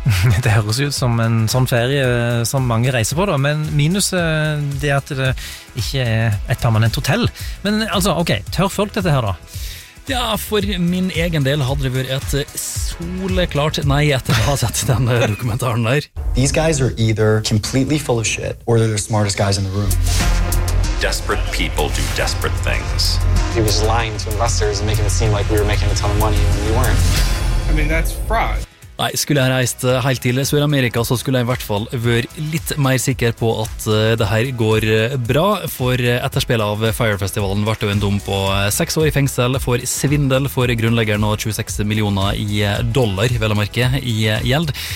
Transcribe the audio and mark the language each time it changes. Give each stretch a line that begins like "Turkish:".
Norwegian: Det høres ut som en sånn ferie som mange reiser på da, men minus det at det ikke et permanent hotell, men altså, ok, tør folk dette her da? Ja, for min egen del hadde det vært et soleklart nei etter å ha sett den dokumentaren der.
English: These guys are either completely full of shit, or they're the smartest guys in the room. Desperate people do desperate things. He was lying to investors and making it seem like we were making a ton of money when we weren't. I mean, that's fraud.
Norwegian: Nei, skulle jeg reist helt til Sør-Amerika, så skulle jeg I hvert fall være litt mer sikker på at det her går bra, for etterspillet av Fyre-festivalen ble en dom på 6 år I fengsel for svindel for grunnleggeren og $26 millioner I dollar, vel å merke, I gjeld.